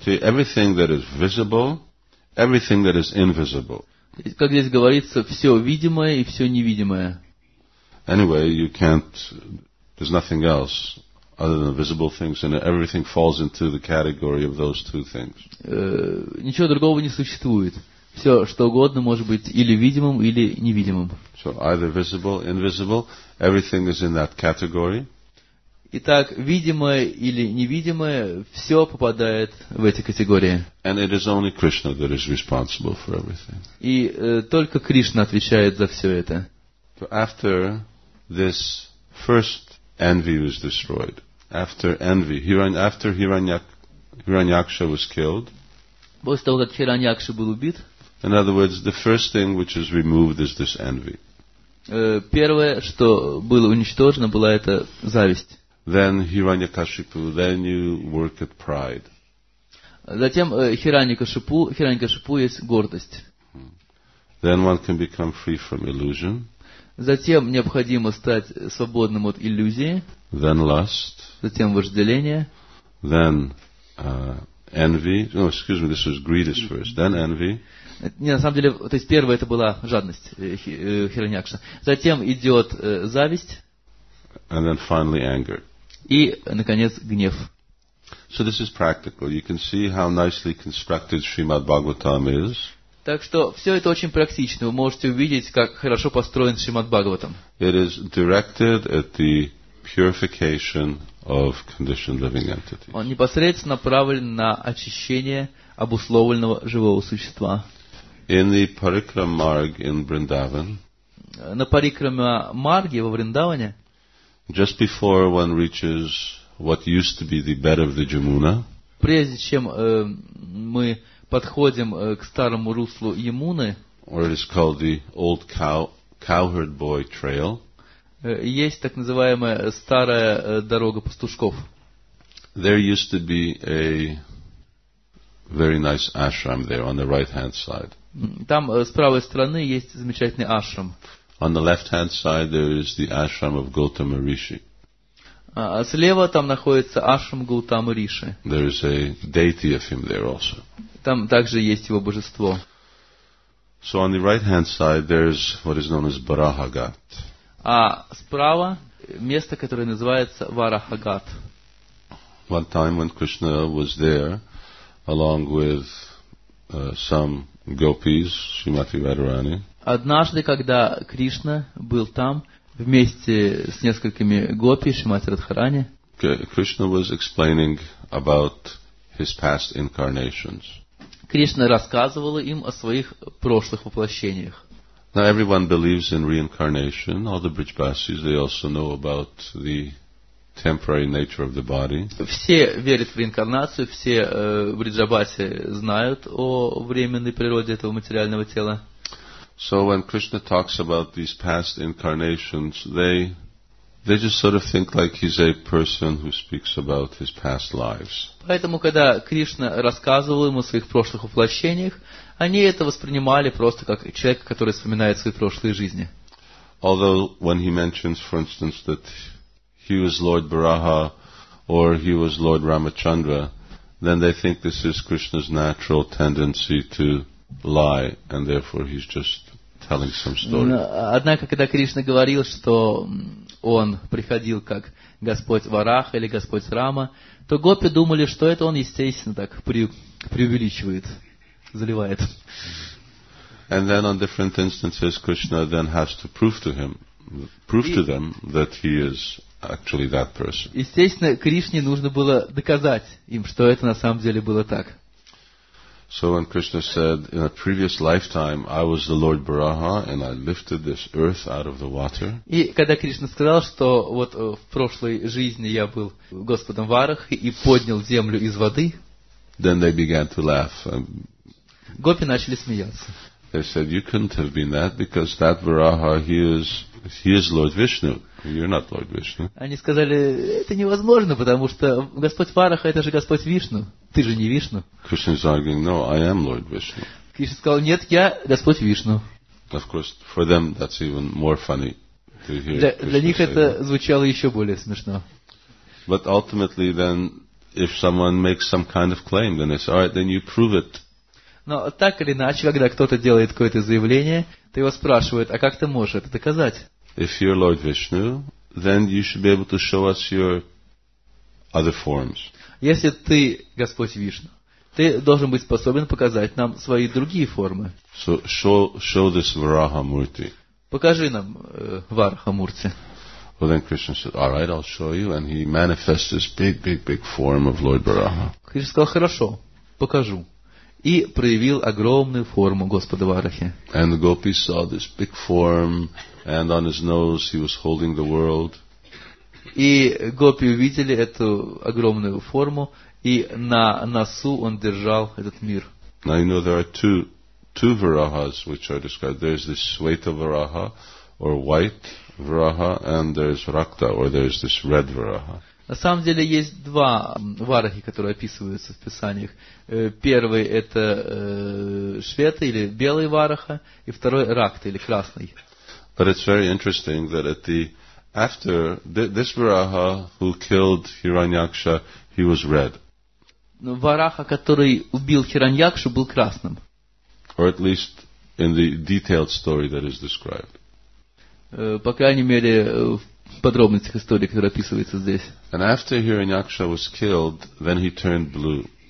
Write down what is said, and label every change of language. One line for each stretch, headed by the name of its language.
English: Everything that is visible, everything that is invisible.
Russian: Как здесь говорится, все видимое и все невидимое.
English: Anyway, you can't. There's nothing else other than visible things, and everything falls into the category of those two things.
Russian: Ничего другого не существует. Все, что угодно, может быть или видимым, или невидимым.
English: So either visible, invisible, everything is in that category.
Russian: Итак, видимое или невидимое, все попадает в эти категории.
English: And it is only Krishna that is responsible for everything.
Russian: И только Кришна отвечает за все это.
English: So after this first envy was destroyed, after envy, after Hiranyaksha was killed,
Russian: после того, как Хираньякша был убит,
English: in other words, the first thing which is removed is this envy.
Russian: Первое, что было уничтожено, была эта зависть.
English: Then Hiranyakashipu, then you work at pride.
Russian: Затем Хираньякашипу есть гордость.
English: Then one can become free from illusion.
Russian: Затем необходимо стать свободным от иллюзии.
English: Then lust.
Russian: Затем вожделение.
English: Then envy. No, excuse me, this was greed is first. Then envy.
Russian: Не, на самом деле, то есть первое это была жадность Хираньякша. Затем идет зависть.
English: And then finally anger.
Russian: И, наконец, гнев.
English: So this is practical. You can see how nicely constructed Srimad Bhagavatam is.
Russian: Так что все это очень практично. Вы можете увидеть, как хорошо построен Шримад Бхагаватам.
English: It is directed at the purification of conditioned living entities.
Russian: Он непосредственно направлен на очищение обусловленного живого существа.
English: In the Parikrama Marg in Vrindavan.
Russian: На Парикрама Марге во Вриндаване.
English: Just before one reaches what used to be the bed of the Jamuna.
Russian: Прежде чем мы подходим к старому руслу Ямуны.
English: Or it is called the old cowherd boy trail.
Russian: Есть так называемая старая дорога пастушков.
English: There used to be a very nice ashram there on the right hand side.
Russian: Там с правой стороны есть замечательный ашрам.
English: On the left hand side there is the ashram of Gautama Rishi.
Russian: Слева там находится ашрам Гаутама Риши.
English: There is a deity of him there also.
Russian: Там также есть его божество.
English: So on the right hand side there's what is known as Varahagat.
Russian: А справа место, которое называется Варахагат.
English: One time when Krishna was there along with some gopis, Shrimati Radharani.
Russian: Однажды, когда Кришна был там вместе с несколькими гопи Шримати Радхарани.
English: Krishna was explaining about his past incarnations.
Russian: Кришна рассказывал им о своих прошлых воплощениях.
English: Now everyone believes in reincarnation. All the Brijbasis, they also know about the temporary nature of the body.
Russian: Все верят в реинкарнацию, все Бриджабаси знают о временной природе этого материального тела.
English: So when Krishna talks about these past incarnations, they just sort of think like he's a person who speaks about his past lives.
Russian: Поэтому, когда Кришна рассказывал ему о своих прошлых воплощениях, они это воспринимали просто как человека, который вспоминает свои прошлые жизни.
English: Although when he mentions, for instance, that he was Lord Varaha or he was Lord Ramachandra, then they think this is Krishna's natural tendency to lie, and therefore he's just telling some story.
Russian: Однако, когда Кришна говорил, что он приходил как Господь Варах или Господь Рама, то гопи думали, что это он, естественно, так преувеличивает, заливает.
English: And then on different instances, Krishna then has to prove to them that he is actually that person.
Russian: Естественно, Кришне нужно было доказать им, что это на самом деле было так.
English: So when Krishna said, in a previous lifetime, I was the Lord Varaha, and I lifted this earth out of the water.
Russian: И когда Кришна сказал, что вот в прошлой жизни я был Господом Варах и поднял землю из воды.
English: Then they began to laugh.
Russian: Гопи начали смеяться.
English: They said, you couldn't have been that, because that Varaha, he is Lord Vishnu. You're not Lord Vishnu.
Russian: Они сказали, это невозможно, потому что Господь Вараха, это же Господь Вишну. Ты же не Вишну.
English: Krishna is arguing, no, I am Lord Vishnu.
Russian: Кришна сказал, нет, я Господь Вишну.
English: Of course, for them that's even more funny to hear.
Russian: Для них это звучало еще более смешно.
English: But ultimately then, if someone makes some kind of claim, then they say, all right, then you prove it.
Russian: Но так или иначе, когда кто-то делает какое-то заявление, то его спрашивают, а как ты можешь это доказать?
English: If you're Lord Vishnu, then you should be able to show us your other forms.
Russian: Если ты Господь Вишну, ты должен быть способен показать нам свои другие формы.
English: So show this Varaha Murti.
Russian: Покажи нам Varaha Murti.
English: Well, then Krishna said, "All right, I'll show you," and he manifests this big, big, big form of Lord Varaha.
Russian: Кришна сказал, "Хорошо, покажу." И проявил огромную форму Господа Варахи.
English: And the gopis saw this big form, and on his nose he was holding the world.
Russian: И гопи увидели эту огромную форму, и на носу он держал этот мир.
English: Now you know there are two Varahas which are described. There's this Shweta Varaha, or white Varaha, and there's Rakta, or there's this red Varaha.
Russian: На самом деле есть два варахи, которые описываются в писаниях. Первый – это швета или белый вараха, и второй – ракта или красный.
English: But it's very interesting that at the after this varaha who killed Hiranyaksha, he was red.
Russian: Вараха, который убил Хираньякшу, был красным.
English: Or at least in the detailed story that is described.
Russian: По крайней мере, подробностях истории, которая описывается здесь.
English: And after Hiranyaksha was killed, then he turned blue.